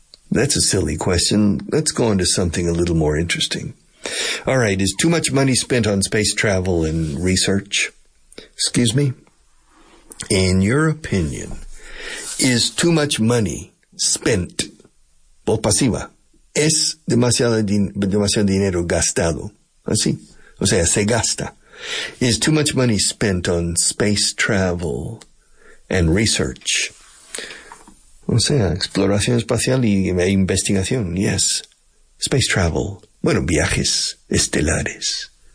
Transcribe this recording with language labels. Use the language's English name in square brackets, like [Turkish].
[English] That's a silly question. Let's go on to something a little more interesting. All right, is too much money spent on space travel and research? Excuse me? In your opinion, is too much money spent? [Spanish] Voz pasiva. Es demasiado dinero gastado. Así. O sea, se gasta. [English] Is too much money spent on space travel and research? [Spanish] O sea, exploración espacial y investigación. [English] Yes. Space travel. [Spanish] Bueno, viajes estelares.